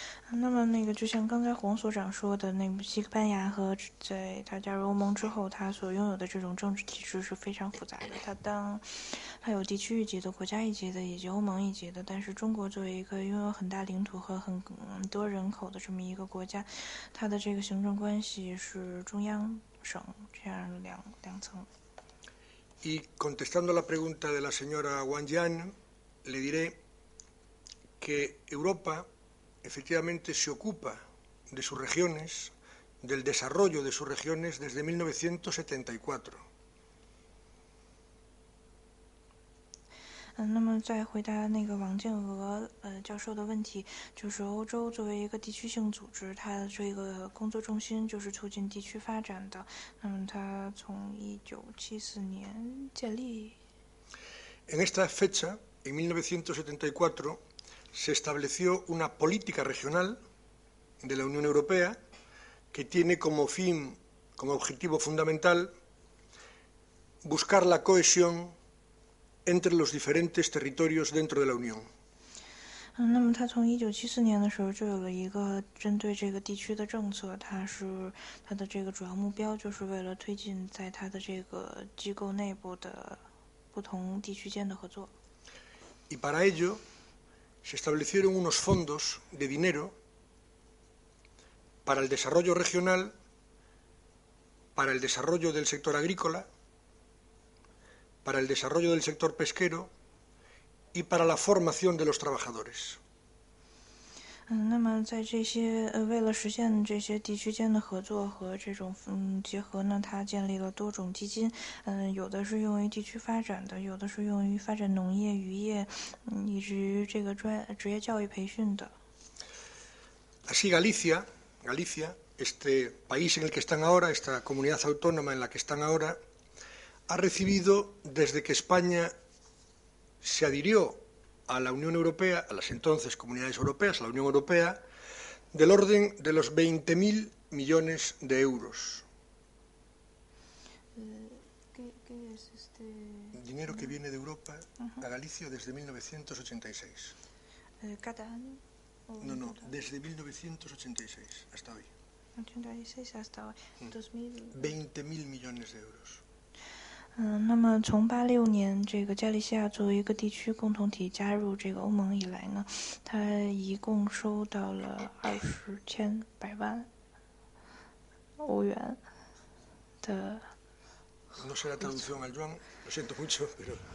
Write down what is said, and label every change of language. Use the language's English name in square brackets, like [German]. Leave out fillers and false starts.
[Chinese] 那么那个就像刚才洪所长说的，那个西班牙和在他加入欧盟之后，他所拥有的这种政治体制是非常复杂的。他有地区一级的、国家一级的以及欧盟一级的。但是中国作为一个拥有很大领土和很多人口的这么一个国家，它的这个行政关系是中央省这样两层。 [Spanish] Y contestando la pregunta de la señora Wang Yan。 Le diré que Europa efectivamente se ocupa de sus regiones, del desarrollo de sus regiones desde 1974. [Chinese] 那么再回答那个王建娥教授的问题，就是欧洲作为一个地区性组织，它的这个工作重心就是促进地区发展的。那么它从1974年建立。 [Spanish] En esta fecha。 En 1974 se estableció una política regional de la Unión Europea que tiene como fin, como objetivo fundamental, buscar la cohesión entre los diferentes territorios dentro de la Unión. [Chinese] 那么他从1974年的时候就有了一个针对这个地区的政策，他的这个主要目标就是为了推进在他的这个机构内部的不同地区间的合作。 [Spanish] Y para ello se establecieron unos fondos de dinero para el desarrollo regional, para el desarrollo del sector agrícola, para el desarrollo del sector pesquero y para la formación de los trabajadores. [Chinese] 那么在这些为了实现这些地区间的合作和这种结合呢，它建立了多种基金，有的是用于地区发展的，有的是用于发展农业、渔业，以至于这个职业教育培训的。 [Spanish] Así Galicia, este país en el que están ahora, esta comunidad autónoma en la que están ahora, ha recibido desde que España se adhirió. A la Unión Europea, a las entonces comunidades europeas, a la Unión Europea, del orden de los 20.000 millones de euros. ¿Qué es este? Dinero que viene de Europa a Galicia desde 1986. ¿Cada año? No, desde 1986 hasta hoy. 86 hasta hoy. 20.000 millones de euros. [Chinese] 那么从1986年这个加利西亚作为一个地区共同体加入这个欧盟以来呢，它一共收到了20.000万欧元的。 [Spanish] No será traducción al yuan, lo siento mucho, pero.